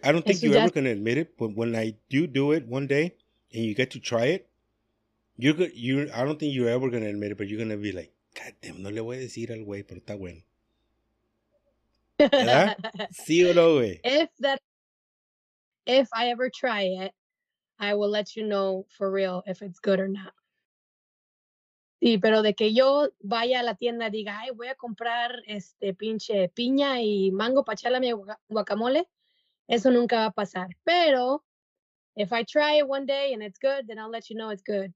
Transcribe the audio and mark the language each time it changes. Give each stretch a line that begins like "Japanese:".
English: I don't think you're ever going to admit it, but when I do it one day and you get to try it, I don't think you're ever going to admit it, but you're going to be like, God damn,
Spanish: no le voy a decir al güey, pero está bueno. ¿Verdad? Sí o no, güey.
English: If I ever try it, I will let you know for real if it's good or not.
Spanish: Sí, pero de que yo vaya a la tienda y diga, ay, voy a comprar este pinche piña y mango para echarle a mi guacamole, eso nunca va a pasar.
English: Pero if I try it one day and it's good, then I'll let you know it's good.